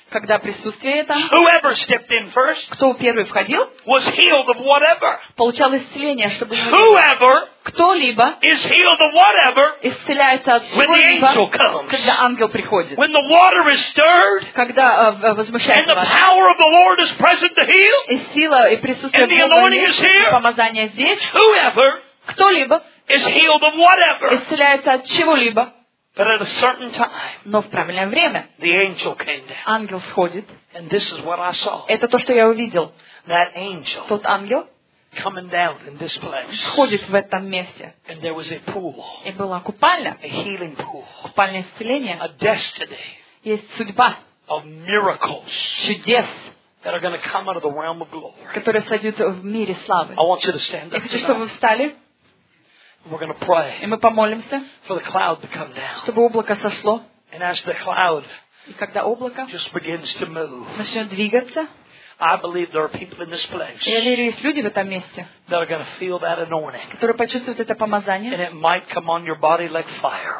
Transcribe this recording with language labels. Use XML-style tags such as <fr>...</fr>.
<ru>Когда присутствие там.</ru> <en>Whoever stepped in first.</en> <ru>Кто первый входил?</ru> <en>Was healed of whatever.</en> <ru>Получал исцеление, чтобы.</ru> <en>Whoever.</en> <ru>Кто-либо.</ru> <en>Is healed of whatever.</en> <ru>Исцеляется от чего-либо.</ru> <en>When the angel comes.</en> <ru>Когда ангел приходит.</ru> <en>When the water is stirred.</en> <ru>Когда возмущается вода.</ru> <en>And the power of the Lord is present to heal.</en> <ru>И сила и присутствие</ru> <en>Бога. And the anointing is here.</en> <ru>Помазание здесь.</ru> <en>Whoever.</en> <ru>Кто-либо.</ru> <en>Is healed of whatever.</en> <ru>Исцеляется от чего-либо.</ru> <en>But at a certain time,</en> <ru>но в правильное время,</ru> <en>the angel came down.</en> <ru>Ангел сходит,</ru> <en>and this is what I saw.</en> <ru>Это то, что я увидел.</ru> <en>That angel,</en> <ru>тот ангел,</ru> <en>coming down in this place.</en> <ru>Сходит в этом месте,</ru> <en>and there was a pool.</en> <ru>И была купальня,</ru> <en>a healing pool.</en> <ru>Купальня исцеления,</ru> <en>a destiny.</en> <ru>Есть судьба,</ru> <en>of miracles.</en> <ru>Чудес.</ru> <en>That are going to come out of the realm of glory.</en> <ru>Которые сойдут в мире славы.</ru> <en>I want you to stand up.</en> <ru>Я хочу, чтобы вы встали.</ru> <en>We're going to pray.</en> <ru>И мы помолимся.</ru> <en>For the cloud to come down.</en> <ru>Чтобы облако сошло.</ru> <en>And as the cloud.</en> <ru>И когда облако.</ru> <en>Just begins to move.</en> <ru>Начнет двигаться.</ru> <en>I believe there are people in this place.</en> <ru>Я верю, есть люди в этом месте.</ru> <en>That are going to feel that anointing.</en> <ru>Которые почувствуют это помазание.</ru> <en>And it might come on your body like fire.</en>